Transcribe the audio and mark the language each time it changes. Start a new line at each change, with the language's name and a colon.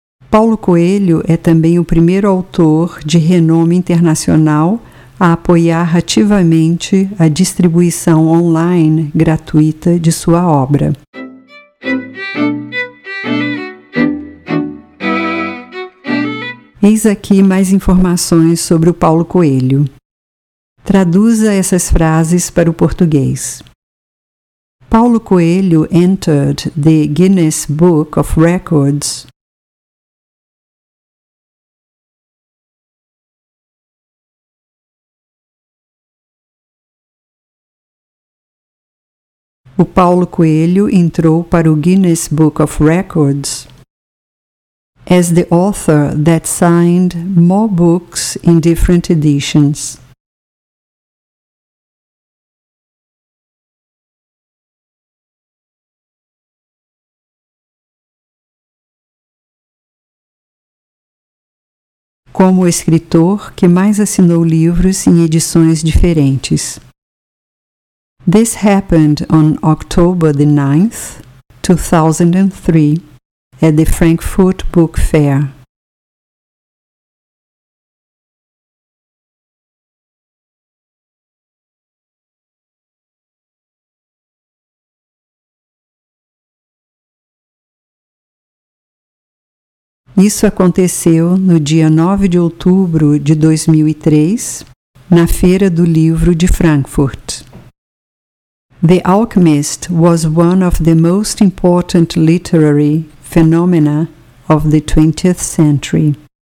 Portuguese: Paulo Coelho é também o primeiro autor de renome internacional a apoiar ativamente a distribuição online gratuita de sua obra. Eis aqui mais informações sobre o Paulo Coelho. Traduza essas frases para o português.
English: Paulo Coelho entered the Guinness Book of Records.
Portuguese: O Paulo Coelho entrou para o
English: Guinness Book of Records as the author that signed more books in different editions.
Portuguese: Como o escritor que mais assinou livros em edições diferentes.
English: This happened on October the 9th, 2003, at the Frankfurt Book Fair.
Portuguese: Isso aconteceu no dia 9 de outubro de 2003, na Feira do Livro de Frankfurt.
English: The Alchemist was one of the most important literary phenomena of the 20th century.